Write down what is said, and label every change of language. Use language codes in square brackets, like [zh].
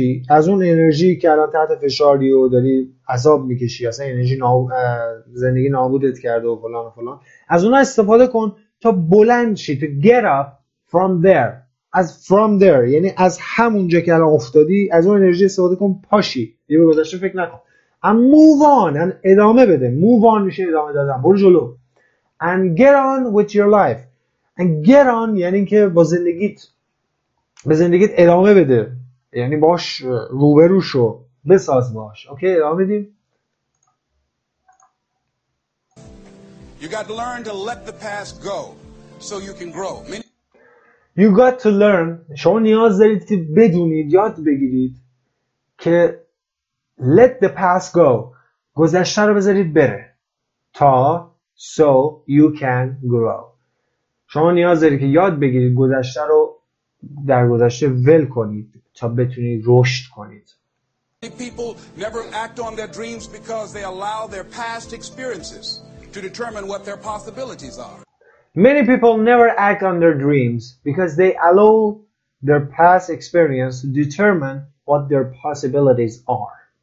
[fa] از اون انرژی که الان تحت فشاری و داری عذاب میکشی، اصلا انرژی زندگی نابودت کرده و فلان و فلان، از اون استفاده کن تا بلند شی. تو [en] get up from there، [fa] از from there یعنی از همونجا که الان افتادی، از اون انرژی استفاده کن پاشی، یه به گذشته فکر نکن. [en] and move on، and [fa] ادامه بده. move on میشه ادامه دادن، برو جلو. [en] and get on with your life. and get on [fa] یعنی که به زندگیت ادامه بده، یعنی باش روبرو شو، بساز باش. اوکی ادامه میدیم. [en] You got to learn to let the past go so you can grow. You got to learn، [fa] شما نیاز دارید که بدونید، یاد بگیرید که [en] let the past go، [fa] گذشته رو بذارید بره، تا [en] so you can grow. [fa] شما نیاز دارید که یاد بگیرید گذشته رو در گذشته ول کنید تا بتونید رشد کنید. [en] People never act on their dreams because they allow their past experiences to determine what their possibilities are. Many people never act on their dreams because they allow their past experience to determine what their possibilities are.